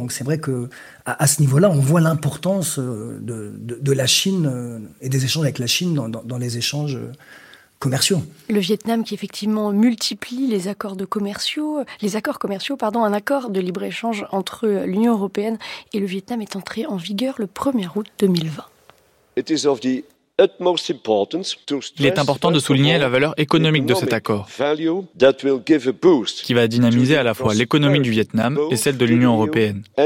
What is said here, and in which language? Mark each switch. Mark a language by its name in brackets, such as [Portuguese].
[French] Donc c'est vrai que à ce niveau-là, on voit l'importance de la Chine et des échanges avec la Chine dans les échanges commerciaux. Le Vietnam qui effectivement multiplie les accords commerciaux, un accord de libre-échange entre l'Union européenne et le Vietnam est entré en vigueur le 1er août 2020. [English] It is of the utmost importance to stress. [French] Il est important de souligner la valeur économique de cet accord, qui va dynamiser à la fois l'économie du Vietnam et celle de l'Union européenne.